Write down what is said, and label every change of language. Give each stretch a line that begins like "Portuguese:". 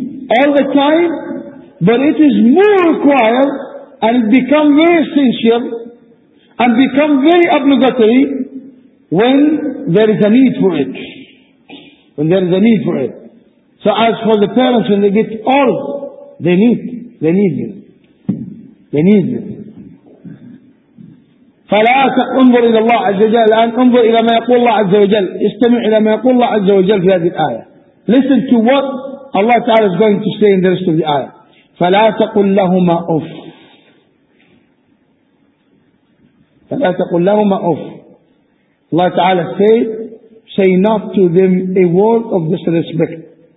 English: all the time, but it is more required and it becomes very essential and becomes very obligatory when there is a need for it. When there is a need for it. So as for the parents, when they get old, they need it. They need it.
Arabic: فلا تنظر إلى الله عز وجل. الآن انظر إلى ما يقول الله عز وجل، استمع إلى ما يقول الله عز وجل في هذه الآية.
English: Listen to what Allah Ta'ala is going to say in the rest of the ayah.
Arabic: فَلَا تَقُلْ لَهُمَا أُفْ
English: فَلَا تَقُلْ لَهُمَا أُفْ Allah Ta'ala say not to them a word of disrespect.